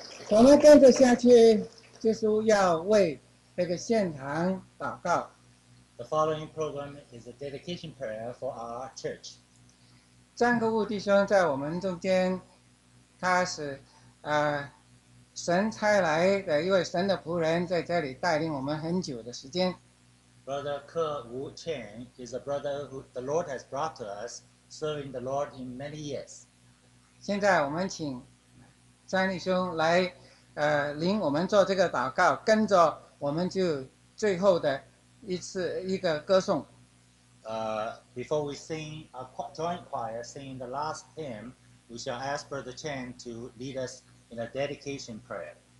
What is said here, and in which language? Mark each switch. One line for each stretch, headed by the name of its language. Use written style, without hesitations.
Chinese: 我们跟着下去，就是要为这个献堂祷告。
English: The following program is a dedication prayer for our church.
Chinese: 张克务弟兄在我们中间，他是神差来的一位神的仆人，在这里带领我们很久的时间。
English: Brother Ke Wu Chen is a brother who the Lord has brought to us, serving the Lord in many years.
Chinese: 现在我们请张弟兄来。领我们做这个祷告，跟着我们就最后的一次一个歌颂。
English: Before we sing a joint choir singing the last hymn, we shall ask Brother Chen to lead us in a dedication prayer.